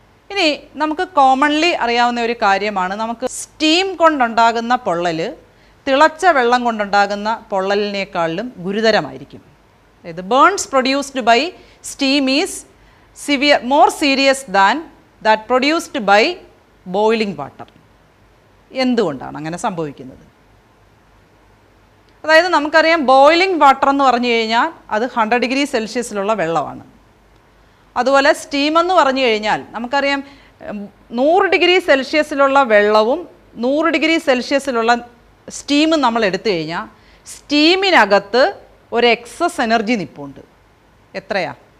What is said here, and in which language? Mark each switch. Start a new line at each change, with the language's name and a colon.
Malayalam: ഇനി നമുക്ക് കോമൺലി അറിയാവുന്ന ഒരു കാര്യമാണ്, നമുക്ക് സ്റ്റീം കൊണ്ടുണ്ടാകുന്ന പൊള്ളൽ തിളച്ച വെള്ളം കൊണ്ടുണ്ടാകുന്ന പൊള്ളലിനേക്കാളിലും ഗുരുതരമായിരിക്കും.
English: അതായത് burns produced by steam is severe, more serious than that produced by boiling water.
Malayalam: എന്തുകൊണ്ടാണ് അങ്ങനെ സംഭവിക്കുന്നത്? അതായത് നമുക്കറിയാം ബോയിലിംഗ് വാട്ടർ എന്ന് പറഞ്ഞു കഴിഞ്ഞാൽ അത് 100 ഡിഗ്രി സെൽഷ്യസിലുള്ള വെള്ളമാണ്. അതുപോലെ സ്റ്റീം എന്ന് പറഞ്ഞു കഴിഞ്ഞാൽ നമുക്കറിയാം 100 ഡിഗ്രി സെൽഷ്യസിലുള്ള വെള്ളവും 100 ഡിഗ്രി സെൽഷ്യസിലുള്ള സ്റ്റീമും നമ്മൾ എടുത്തു കഴിഞ്ഞാൽ സ്റ്റീമിനകത്ത് ഒരു എക്സസ് എനർജി നിപ്പുണ്ട്. എത്രയാ?